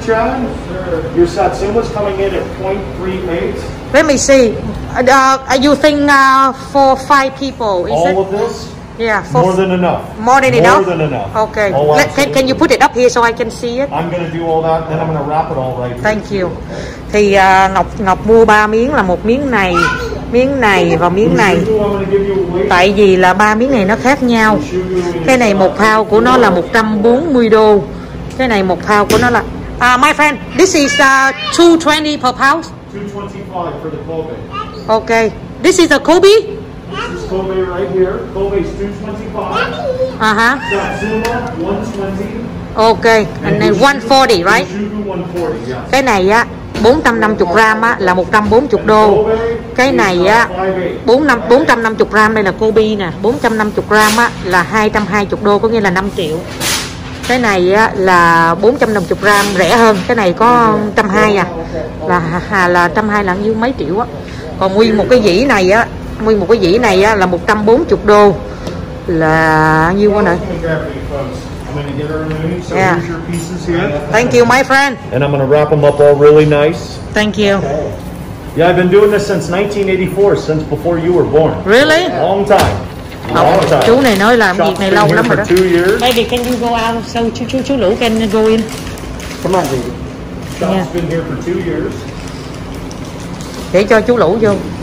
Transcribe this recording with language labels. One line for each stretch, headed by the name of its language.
English: Chan. Sure. Your satsuma's coming in at 0.38. Let me see. You think for five people, is all it? All of this? Yeah. More than enough. Okay. Can you put it up here so I can see it? I'm going to do all that, then I'm going to wrap it all right. Thank you. Okay.
Vietnamese: Thì Ngọc mua 3 miếng là một miếng này, miếng này và miếng này. Tại vì là 3 miếng này nó khác nhau. Cái này một phao của nó là 140 đô. Cái này một phao của nó là...
English: my friend, this is 220 per pound. 225 for the Kobe. Okay. This is a Kobe? This is Kobe right here. Kobe is 225. Uh-huh. Satsuma, 120. Okay. And then 140, right? Yujubu 140, yes.
Vietnamese: Cái này á, 450 gram á, là 140 đô. Cái này á, 450 gram đây là Kobe nè. 450 gram á, là 220 đô, có nghĩa là 5 triệu. Cái này á, là 450 gram rẻ hơn, cái này có 120 là 120 là nhiêu mấy triệu á. Còn nguyên một cái dĩ này á là 140 đô là nhiêu quá nè.
English: Yeah. Thank you my friend. And I'm going to wrap them up all really nice. Thank you. Yeah, I've been doing this since 1984, since before you were born. Really? Long time.
Vietnamese: Chú này nói làm việc này lâu lắm rồi đó.
English: Baby, can you go out? So chú Lũ can go in. Come on, baby. Yeah. Been here for 2 years.
Vietnamese: Để cho chú Lũ vô.